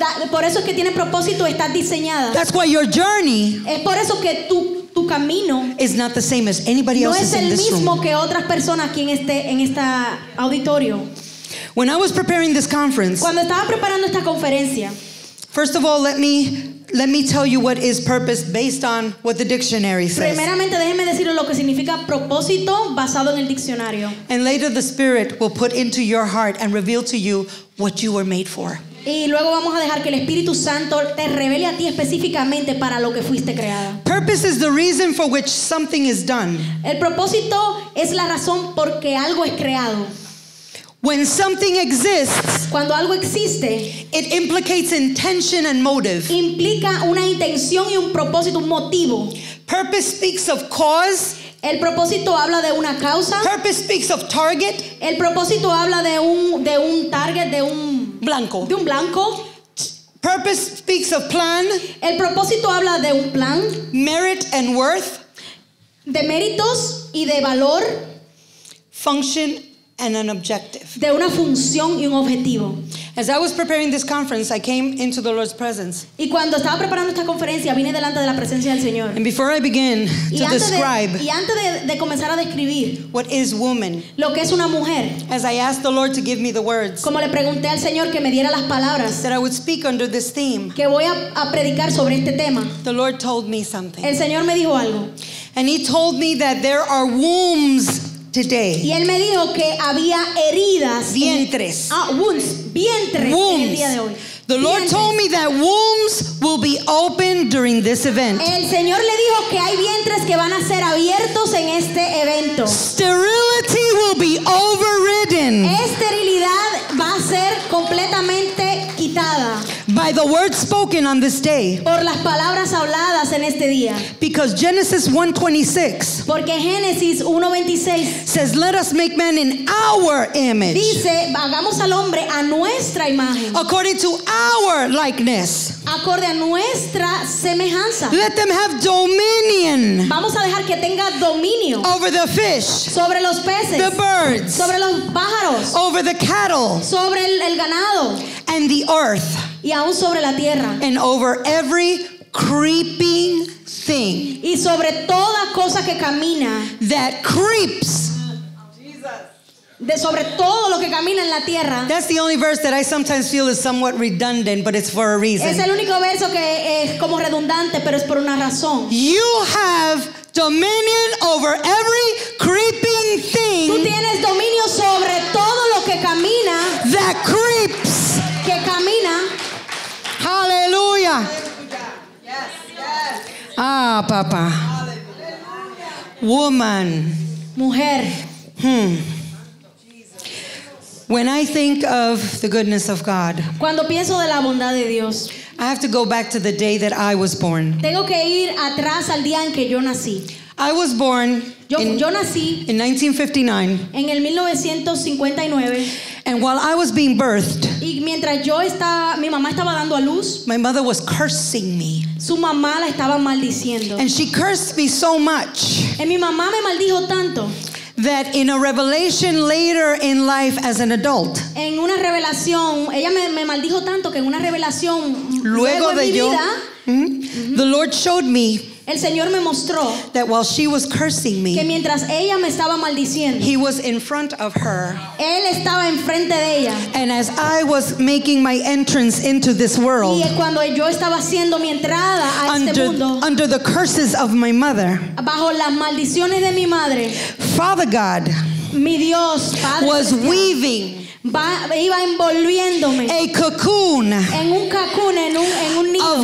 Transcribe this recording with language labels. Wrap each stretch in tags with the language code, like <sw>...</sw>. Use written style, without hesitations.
<es>por eso es que tienes propósito, estás diseñada.</es> <en>That's why your journey</en> <es>es por eso que tu camino</es> <en>is not the same as anybody else's.</en> <es>No es el mismo que otras personas aquí en este auditorio.</es> <en>When I was preparing this conference,</en> <es>cuando estaba preparando esta conferencia,</es> <en>first of all, let me tell you what is purpose based on what the dictionary says.</en> <es>Primeramente, déjeme decirle lo que significa propósito basado en el diccionario.</es> <en>And later the Spirit will put into your heart and reveal to you what you were made for.</en> <es>Y luego vamos a dejar que el Espíritu Santo te revele a ti específicamente para lo que fuiste creada.</es> <en>Purpose is the reason for which something is done.</en> <es>El propósito es la razón por que algo es creado.</es> <en>When something exists,</en> <es>cuando algo existe,</es> <en>it implicates intention and motive.</en> <es>Implica una intención y un propósito, un motivo.</es> <en>Purpose speaks of cause.</en> <es>El propósito habla de una causa.</es> <en>Purpose speaks of target.</en> <es>El propósito habla de un target, de un blanco. De un blanco.</es> <en>Purpose speaks of plan.</en> <es>El propósito habla de un plan.</es> <en>Merit and worth.</en> <es>De méritos y de valor.</es> <en>Function and an objective.</en> <es>De una función y un objetivo.</es> <en>As I was preparing this conference, I came into the Lord's presence.</en> <es>Y cuando estaba preparando esta conferencia, vine delante de la presencia del Señor.</es> <en>And before I begin to describe,</en> <es>y antes de comenzar a describir,</es> <en>what is woman?</en> <es>Lo que es una mujer.</es> <en>As I asked the Lord to give me the words,</en> <es>como le pregunté al Señor que me diera las palabras,</es> <en>that I would speak under this theme,</en> <es>que voy a predicar sobre este tema.</es> <en>The Lord told me something.</en> <es>El Señor me dijo algo.</es> <en>And He told me that there are wombs today.</en> <es>Y él me dijo que había heridas, vientres.</es> <en>Wounds, vientres. Wombs.</en> <es>En el día de hoy.</es> <en>The Lord told me that wombs will be opened during this event.</en> <es>El Señor le dijo que hay vientres que van a ser abiertos en este evento.</es> <en>Sterility will be overridden.</en> <es>Esterilidad va a ser completamente quitada.</es> <en>By the word spoken on this day.</en> <es>Por las palabras habladas en este día.</es> <en>Because Genesis 1:26.</en> <es>Porque Génesis 1:26</es> <en>says, "Let us make man in our image."</en> <es>Dice, hagamos al hombre a nuestra imagen.</es> <en>According to our likeness.</en> <es>Acorde a nuestra semejanza.</es> <en>Let them have dominion.</en> <es>Vamos a dejar que tenga dominio.</es> <en>Over the fish.</en> <es>Sobre los peces.</es> <en>The birds.</en> <es>Sobre los pájaros.</es> <en>Over the cattle.</en> <es>Sobre el ganado.</es> <en>And the earth.</en> <es>Y aún sobre la tierra.</es> <en>And over every creeping thing.</en> <es>Y sobre toda cosa que camina.</es> <en>That creeps.</en> <es>De sobre todo lo que camina en la tierra.</es> <en>That's the only verse that I sometimes feel is somewhat redundant, but it's for a reason.</en> <es>Es el único verso que es como redundante, pero es por una razón.</es> <en>You have dominion over every creeping thing.</en> <es>Tú tienes dominio sobre todo lo que camina.</es> <en>That creeps.</en> <es>Que camina.</es> <en>Hallelujah. Yes.</en> <es>Ah, papa.</es> <en>Hallelujah. Woman.</en> <es>Mujer.</es> <en>When I think of the goodness of God,</en> <es>cuando pienso de la bondad de Dios,</es> <en>I have to go back to the day that I was born.</en> <es>Tengo que ir atrás al día en que yo nací.</es> <en>I was born</en> <es>yo nací</es> <en>in 1959.</en> <es>En el 1959.</es> <en>And while I was being birthed,</en> <es>y mientras yo estaba, mi mamá estaba dando a luz,</es> <en>my mother was cursing me.</en> <es>Su mamá la estaba maldiciendo.</es> <en>And she cursed me so much.</en> <es>Y mi mamá me maldijo tanto.</es> <en>That in a revelation later in life as an adult.</en> <es>En una revelación, ella me maldijo tanto que en una revelación luego de mi yo, vida,</es> <en>the Lord showed me.</en> <es>El Señor me mostró</es> <en>that while she was cursing me,</en> <es>que mientras ella me estaba maldiciendo,</es> <en>He was in front of her.</en> <es>Él estaba enfrente de ella.</es> <en>And as I was making my entrance into this world,</en> <es>y cuando yo estaba haciendo mi entrada a este mundo,</es> <en>under the curses of my mother,</en> <es>bajo las maldiciones de mi madre,</es> <en>Father God,</en> <es>mi Dios, Padre,</es> <en>was weaving.</en> <es>Iba envolviéndome</es> <en>a cocoon,</en> <es>en un cocoon, en un nido,</es>